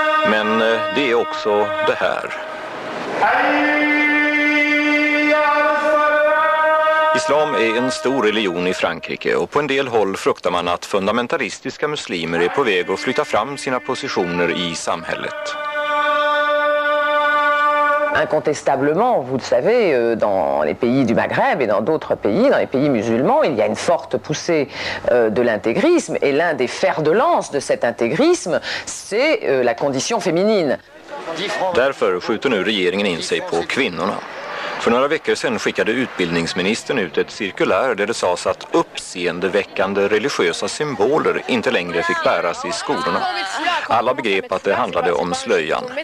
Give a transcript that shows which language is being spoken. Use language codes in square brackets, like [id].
[sv] Men det är också det här. Islam är en stor religion i Frankrike och på en del håll fruktar man att fundamentalistiska muslimer är på väg att flytta fram sina positioner i samhället. [fr] Incontestablement, vous le savez, dans les pays du Maghreb et dans d'autres pays, dans les pays musulmans, il y a une forte poussée de l'intégrisme et l'un des fers de lance de cet intégrisme, c'est la condition féminine. [sv] Därför skjuter nu regeringen in sig på kvinnorna. För några veckor sedan skickade utbildningsministern ut ett cirkulär där det sades att uppseendeväckande religiösa symboler inte längre fick bäras i skolorna. Alla begrep att det handlade om slöjan.